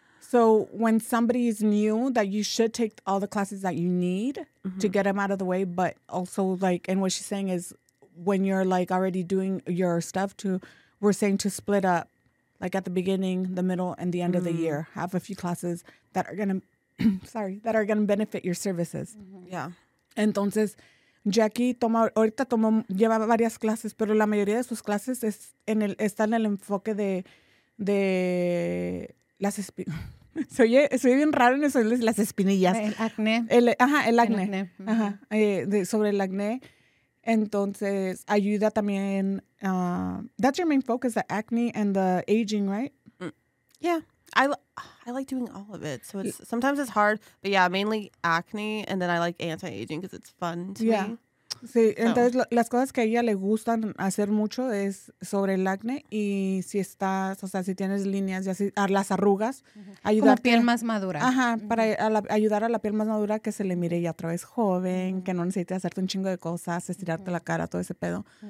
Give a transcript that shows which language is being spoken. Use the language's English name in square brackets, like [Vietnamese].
[English] So when somebody is new, that you should take all the classes that you need to get them out of the way. But also, like, and what she's saying is when you're, like, already doing your stuff we're saying to split up. Like at the beginning, the middle, and the end of the year, have a few classes that are gonna benefit your services. Mm-hmm. Yeah. [Spanish] Entonces, Jackie lleva varias clases, pero la mayoría de sus clases está en el enfoque de las espinillas. Soy bien raro en eso, las espinillas. El acné. El acné. Sobre el acné. Entonces, ayuda también, [English] that's your main focus, the acne and the aging, right? Yeah, I like doing all of it, so it's sometimes it's hard, but yeah, mainly acne, and then I like anti-aging because it's fun to me. [Spanish] Sí, [English] so. [Spanish] Entonces, las cosas que a ella le gustan hacer mucho es sobre el acne, y si estás, o sea, si tienes líneas, ya a las arrugas, ayudarte. Como piel más madura. Ajá, para ayudar a la piel más madura que se le mire ya otra vez joven, que no necesite hacerte un chingo de cosas, estirarte la cara, todo ese pedo.